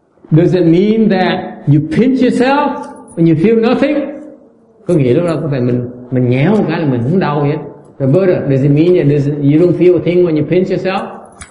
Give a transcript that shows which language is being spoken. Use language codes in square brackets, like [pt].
[en] Does it mean that you pinch yourself when you feel nothing? [vi] Có nghĩa lúc đó có phải mình nhéo một cái là mình không đau hết. [en] The Buddha, does it mean that you don't feel a thing when you pinch yourself?